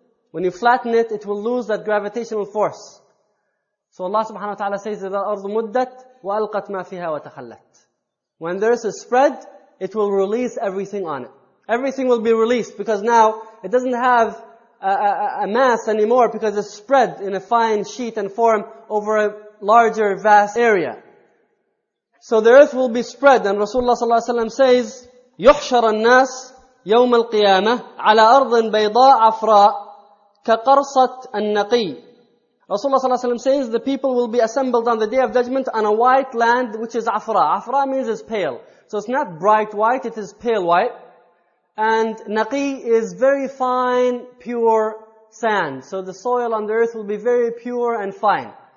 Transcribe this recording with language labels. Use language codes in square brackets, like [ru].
[en] When you flatten it, it will lose that gravitational force. So Allah subhanahu wa ta'ala says, [ar] إِذَا الْأَرْضُ مُدَّتْ وَأَلْقَتْ مَا فِيهَا وَتَخَلَّتْ. [en] When the earth is spread, it will release everything on it. Everything will be released because now it doesn't have a mass anymore because it's spread in a fine sheet and form over a larger, vast area. So the earth will be spread. [ar] And Rasulullah sallallahu alayhi wa sallam says, يُحْشَرَ النَّاسِ يوم القيامة على أرض بيضاء عفراء كقرصة النقي. [en] Rasulullah sallallahu alayhi wa sallam says the people will be assembled on the day of judgment on a white land which is afra. Afra means it's pale. So it's not bright white, it is pale white. And naqi is very fine, pure sand. So the soil on the earth will be very pure and fine.